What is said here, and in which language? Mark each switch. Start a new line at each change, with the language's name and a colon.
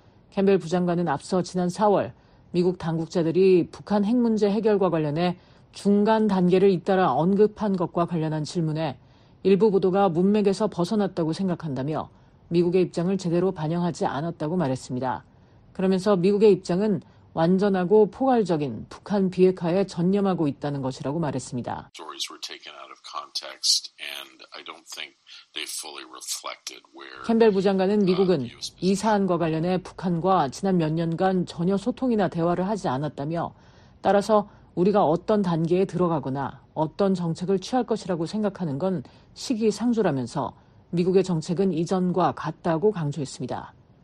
Korean: 캠벨 부장관은 앞서 지난 4월 미국 당국자들이 북한 핵 문제 해결과 관련해 중간 단계를 잇따라 언급한 것과 관련한 질문에 일부 보도가 문맥에서 벗어났다고 생각한다며 미국의 입장을 제대로 반영하지 않았다고 말했습니다. 그러면서 미국의 입장은 완전하고 포괄적인 북한 비핵화에 전념하고 있다는 것이라고 말했습니다.
English: context, and I don't think they fully reflected where.
Korean: 캠벨 부장관은 미국은 이 사안과 관련해 북한과 지난 몇 년간 전혀 소통이나 대화를 하지 않았다며, 따라서 우리가 어떤 단계에 들어가거나 어떤 정책을 취할 것이라고 생각하는 건 시기상조라면서 미국의 정책은 이전과 같다고 강조했습니다.